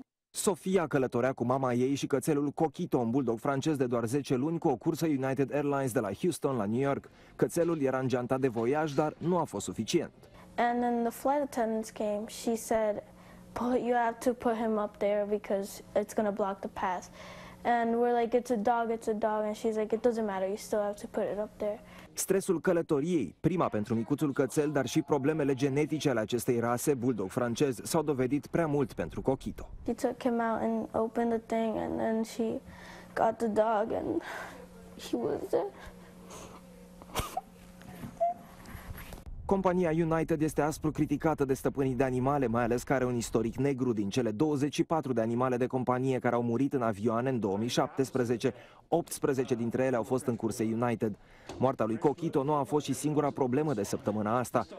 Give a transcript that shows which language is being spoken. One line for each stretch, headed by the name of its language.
Romanian: Sofia călătorea cu mama ei și cățelul Coquito, un bulldog francez de doar 10 luni, cu o cursă United Airlines de la Houston la New York. Cățelul era îngeantat de voiaj, dar nu a fost suficient.
English: And then the flight attendant came. She said, "You have to put him up there because it's going to block the path." And we're like, "It's a dog, it's a dog." And she's like, "It doesn't matter. You still have to put it up there."
Romanian: Stresul călătoriei, prima pentru micuțul cățel, dar și problemele genetice ale acestei rase, bulldog francez, s-au dovedit prea mult pentru Coquito.
English: She took him out and opened the thing and then she got the dog and he was there.
Romanian: Compania United este aspru criticată de stăpânii de animale, mai ales că are un istoric negru. Din cele 24 de animale de companie care au murit în avioane în 2017, 18 dintre ele au fost în curse United. Moartea lui Coquito nu a fost și singura problemă de săptămâna asta.